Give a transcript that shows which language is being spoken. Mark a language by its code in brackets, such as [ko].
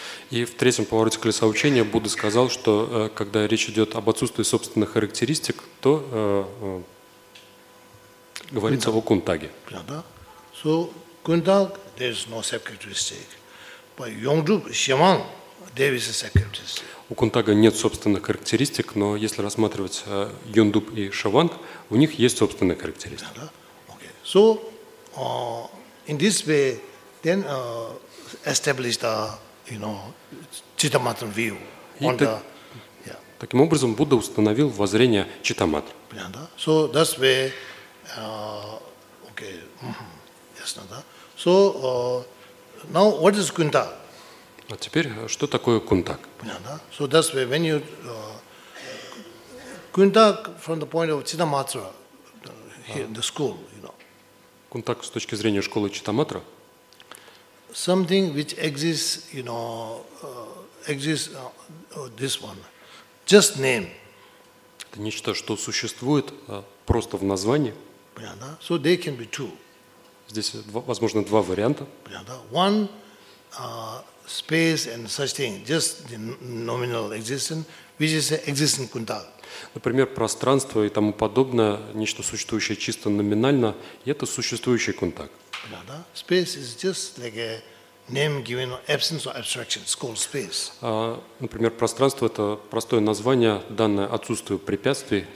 [ru] И в третьем повороте колеса учения Будда сказал, что когда речь идет об отсутствии собственных характеристик, то говорится о кунтаге. [en] So, кунтаг, there is no self-characteristic. But Yongdrup, Shemang, there is a self-characteristic. [ru] У кунтага нет собственных характеристик, но если рассматривать Yongdrup и Shemang, у них есть собственные характеристики. [en] Okay. So, in this way, then establish the, you know, читаматран view on the, yeah. [ru] Таким образом, Будда установил воззрение читаматр. [en] So that's where, okay, yes, no, that. So now what is kunta? [ru] А теперь что такое кунтаг? [en] So that's where when you кунтаг from the point of читаматра, the school, you know. [ru] Кунтаг с точки зрения школы читаматра. [en] Something which exists, you know, exists, this one, just name. [ru] Это нечто, что существует просто в названии. Понятно? [en] So there can be two. [ru] Здесь, возможно, два варианта. Понятно? [en] One, space and such thing, just the nominal existence, which is existing kuntal. [ru] Например, пространство и тому подобное, нечто существующее чисто номинально, и это существующий кунтаг. Понятно? [en] Space is just like a name given or absence or abstraction. It's called space. [ru] Например, пространство – это простое название, данное отсутствию препятствий.